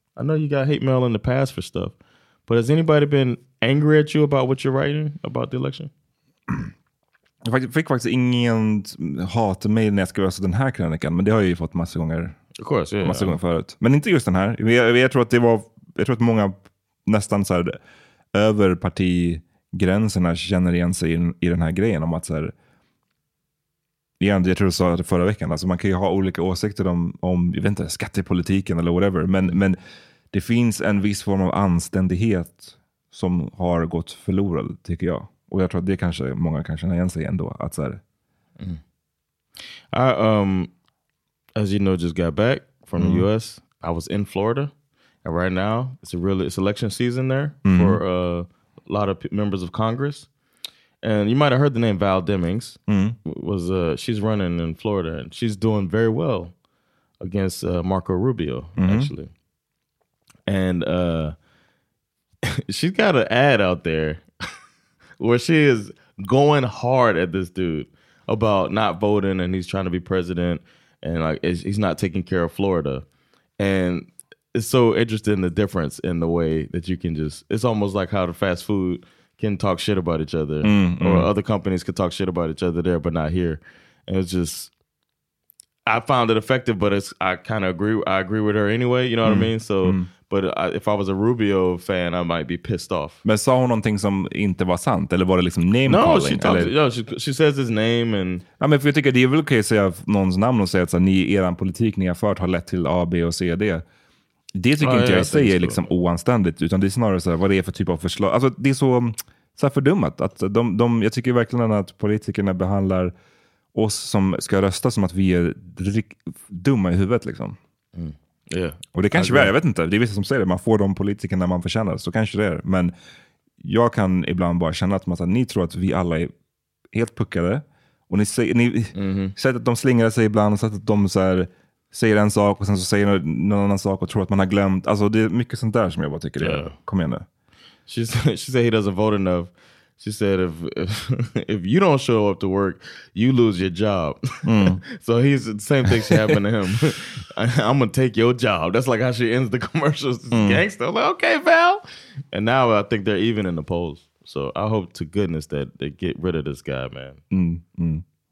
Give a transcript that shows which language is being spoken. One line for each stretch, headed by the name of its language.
English: I know you got hate mail in the past for stuff. But has anybody been angry at you about what you're writing about the election?
Swedish: Jag fick faktiskt ingen hatmail när jag skrev den här krönikan, men det har jag ju fått massa gånger.
English: Of course, yeah.
Swedish: Massa gånger förut. Men inte just den här. Jag tror att många nästan så här över parti gränserna känner igen sig i den här grejen om att så här, igen, jag tror du sa det förra veckan, alltså man kan ju ha olika åsikter om jag vet inte, skattepolitiken eller whatever, men det finns en viss form av anständighet som har gått förlorad, tycker jag, och jag tror att det kanske många kan känna igen sig ändå, att så här,
English: As you know, just got back from the US. I was in Florida, and right now it's election season there for a lot of members of Congress, and you might have heard the name Val Demings. She's running in Florida, and she's doing very well against Marco Rubio, actually. And she's got an ad out there where she is going hard at this dude about not voting, and he's trying to be president, and like he's not taking care of Florida. And it's so interesting, the difference in the way that you can just, it's almost like how the fast food can talk shit about each other, or other companies can talk shit about each other there, but not here. And it's just, I found it effective, but I agree with her anyway, you know what I mean? So, if I was a Rubio fan, I might be pissed off.
Swedish: Men sa hon någonting som inte var sant, eller var det liksom name
English: calling? No, she says his name and...
Swedish: Ja, men för jag tycker det är väl okej att säga någons namn och säga att så, ni, er politik ni har fört har lett till A, B och C, D. Det tycker inte jag säger liksom oanständigt, utan det är snarare så här, vad det är för typ av förslag. Alltså det är så här fördummat. Att de, jag tycker verkligen att politikerna behandlar oss som ska rösta som att vi är dumma i huvudet liksom. Och det kanske är, jag vet inte. Det är vissa som säger det, man får de politikerna man förtjänar, så kanske det är. Men jag kan ibland bara känna att ni tror att vi alla är helt puckade. Och ni säger att de slingrar sig ibland, så att de så här... säger en sak och sen så säger någon annan sak och tror att man har glömt. Alltså det är mycket sånt där som jag bara tycker det. Kom igen nu.
English: She said he doesn't vote enough. She said if you don't show up to work, you lose your job. So he's the same thing should happen to him. I'm gonna take your job. That's like how she ends the commercials. Gangster. I'm like, okay, pal. And now I think they're even in the polls. So I hope to goodness that they get rid of this guy, man.